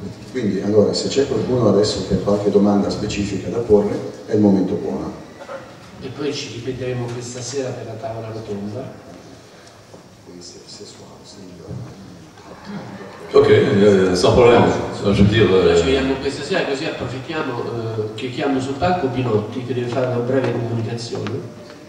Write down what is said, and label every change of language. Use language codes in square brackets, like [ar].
[it] Quindi allora se c'è qualcuno adesso che ha qualche domanda specifica da porre, è il momento buono. E poi ci rivedremo questa sera per la tavola rotonda. [fr] Ok, sans problème, je veux dire... [it] Ci vediamo questa sera, così approfittiamo che chiamo sul palco Pinotti, che deve fare una breve comunicazione.